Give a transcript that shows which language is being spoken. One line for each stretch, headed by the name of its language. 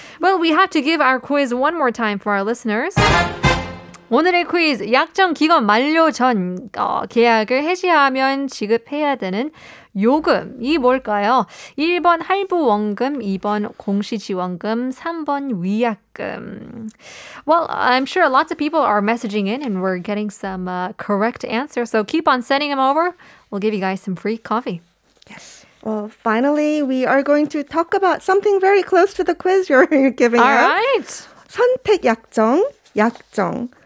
English: Well, we have to give our quiz one more time for our listeners.
Korean: 오늘의 퀴즈, 약정 기간 만료 전 계약을 해지하면 지급해야 되는 요금이 뭘까요? 1번 할부 원금, 2번 공시 지원금, 3번 위약금.
English: Well, I'm sure lots of people are messaging in and we're getting some correct answers. So keep on sending them over. We'll give you guys some free coffee. Yes. Well, finally, we are going to talk about something very close to the quiz you're giving All up. All right.
Korean: 선택 약정, 약정.